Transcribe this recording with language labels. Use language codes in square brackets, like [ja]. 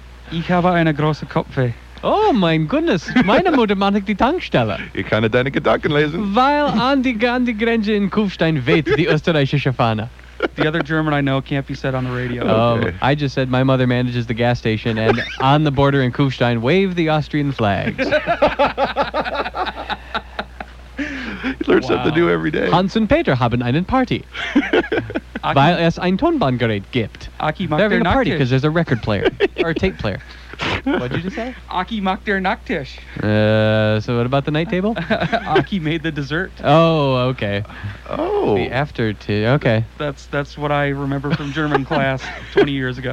[de] Ich habe eine große Kopfweh. [en] Oh, mein goodness. [de] Meine Mutter macht die Tankstelle. Ich kann deine Gedanken lesen. Weil an die Grenze in Kufstein weht die österreichische Fahne. [en] The other German I know can't be said on the radio. I just said my mother manages the gas station and on the border in Kufstein wave the Austrian flags. You learn something new every day. [de] Hans und Peter haben einen Party. Weil es ein Tonbandgerät gibt. [en] They're having a party because there's a record player or a tape player. What did you say? [de] Aki mach der Nachtisch. [en] So what about the night table? Aki made the dessert. Oh, okay. Oh. The after tea, okay. That's what I remember from German class 20 years ago.